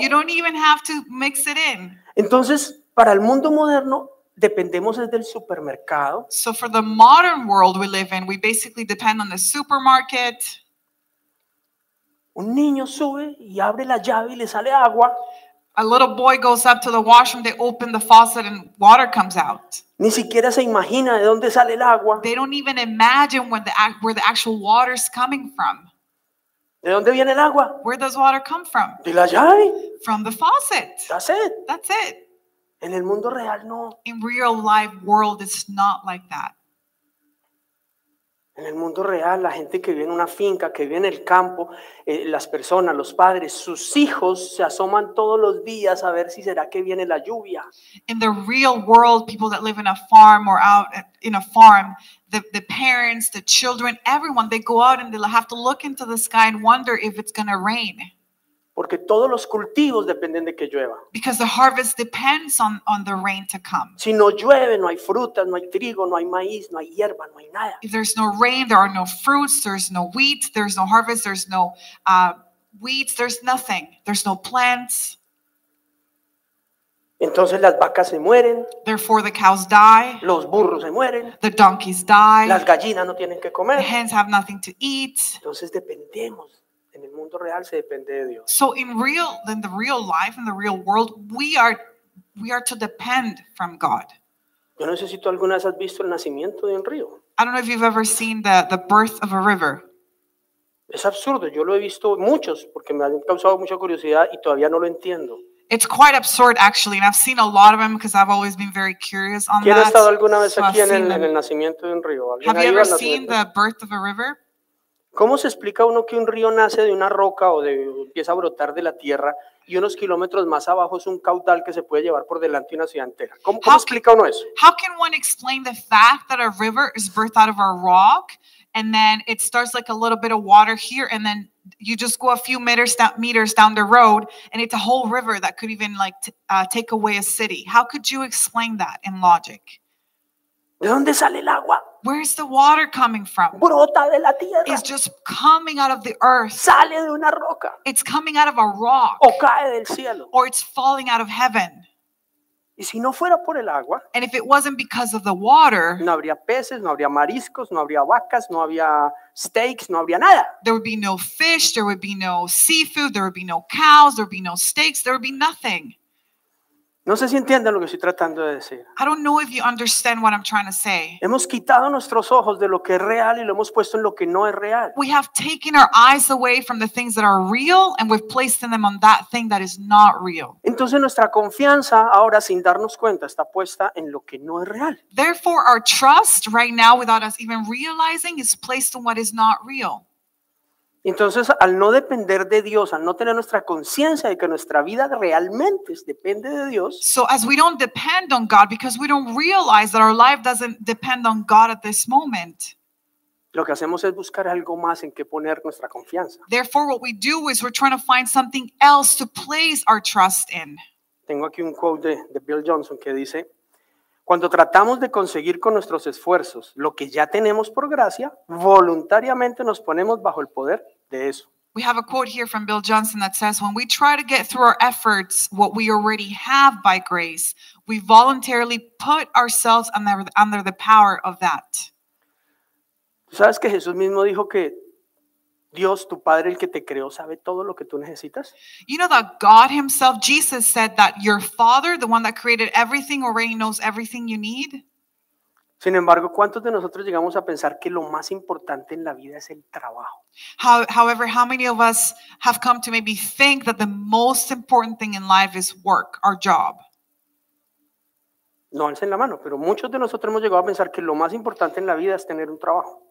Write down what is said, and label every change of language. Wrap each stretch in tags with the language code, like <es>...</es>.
<en>You don't even have to mix it in.</en> <es>Entonces, para el mundo moderno, dependemos desde el supermercado.</es> <en>So for the modern world we live in, we basically depend on the supermarket.</en> <es>Un niño sube y abre la llave y le sale agua.</es> <en>A little boy goes up to the washroom, they open the faucet and water comes out.</en> <es>Ni siquiera se imagina de dónde sale el agua.</es> <en>They don't even imagine where the actual water is coming from.</en> <es>¿De dónde viene el agua?</es> <en>Where does water come from?</en> <es>De la llave.</es> <en>From the faucet. That's it. That's it.</en> <es>En el mundo real no.</es> <en>In real life world it's not like that.</en> <es>En el mundo real la gente que vive en una finca, que vive en el campo, las personas, los padres, sus hijos se asoman todos los días a ver si será que viene la lluvia.</es> <en>In the real world, people that live in a farm or out in a farm, the parents, the children, everyone, they go out and they'll have to look into the sky and wonder if it's going to rain.</en> <es>Porque todos los cultivos dependen de que llueva.</es> <en>Because the harvest depends on the rain to come.</en> <es>Si no llueve, no hay frutas, no hay trigo, no hay maíz, no hay hierba, no hay nada.</es> <en>If there's no rain, there are no fruits, there's no wheat, there's no harvest, there's no weeds, there's nothing. There's no plants.</en> <es>Entonces las vacas se mueren.</es> <en>Therefore the cows die.</en> <es>Los burros se mueren.</es> <en>The donkeys die.</en> <es>Las gallinas no tienen que comer.</es> <en>The hens have nothing to eat.</en> <es>Entonces dependemos. En el mundo real se depende de Dios.</es> <en>So in the real life, in the real world, we are to depend from God.</en> <es>Yo no sé si tú alguna vez has visto el nacimiento de un río.</es> <en>I don't know if you've ever seen the birth of a river.</en> <es>Es absurdo. Yo lo he visto muchos porque me han causado mucha curiosidad y todavía no lo entiendo.</es> <en>It's quite absurd, actually, and I've seen a lot of them because I've always been very curious on</en> <es>¿Quién</es> <en>that.</en> <es>¿Ha estado alguna vez so aquí en el nacimiento de un río?</es> <en>Have you ever seen the birth of a river?</en> <es>¿Cómo se explica uno que un río nace de una roca o empieza a brotar de la tierra y unos kilómetros más abajo es un caudal que se puede llevar por delante una ciudad entera? ¿Cómo explica uno eso?</es> <en>How can one explain the fact that a river is birthed out of a rock and then it starts like a little bit of water here and then you just go a few meters down the road and it's a whole river that could even like take away a city? How could you explain that in logic?</en> <es>¿De dónde sale el agua?</es> <en>Where is the water coming from?</en> <es>Brota de la tierra.</es> <en>It's just coming out of the earth.</en> <es>Sale de una roca.</es> <en>It's coming out of a rock.</en> <es>O cae del cielo.</es> <en>Or it's falling out of heaven.</en> <es>Y si no fuera por el agua,</es> <en>and if it wasn't because of the water,</en> <es>no habría peces, no habría mariscos, no habría vacas, no habría steaks, no habría nada.</es> <en>There would be no fish, there would be no seafood, there would be no cows, there would be no steaks, there would be nothing.</en> <es>No sé si entienden lo que estoy tratando de decir.</es> <en>I don't know if you understand what I'm trying to say.</en> <es>Hemos quitado nuestros ojos de lo que es real y lo hemos puesto en lo que no es real.</es> <en>We have taken our eyes away from the things that are real and we've placed them on that thing that is not real.</en> <es>Entonces nuestra confianza ahora sin darnos cuenta está puesta en lo que no es real.</es> <en>Therefore our trust right now without us even realizing is placed on what is not real.</en> <es>Entonces, al no depender de Dios, al no tener nuestra conciencia de que nuestra vida realmente depende de Dios.</es> <en>So as we don't depend on God because we don't realize that our life doesn't depend on God at this moment.</en> <es>Lo que hacemos es buscar algo más en que poner nuestra confianza.</es> <en>Therefore, what we do is we're trying to find something else to place our trust in.</en> <es>Tengo aquí un quote de Bill Johnson que dice, cuando tratamos de conseguir con nuestros esfuerzos lo que ya tenemos por gracia, voluntariamente nos ponemos bajo el poder de eso.</es> <en>We have a quote here from Bill Johnson that says, when we try to get through our efforts what we already have by grace, we voluntarily put ourselves under the power of that.</en> <es>¿Tú sabes que Jesús mismo dijo que Dios, tu Padre, el que te creó, sabe todo lo que tú necesitas?</es> <en>You know that God himself, Jesus, said that your Father, the one that created everything, already knows everything you need?</en> <es>Sin embargo, ¿cuántos de nosotros llegamos a pensar que lo más importante en la vida es el trabajo?</es> <en>However, how many of us have come to maybe think that the most important thing in life is work, our job?</en> <es>No alcen la mano, pero muchos de nosotros hemos llegado a pensar que lo más importante en la vida es tener un trabajo.</es>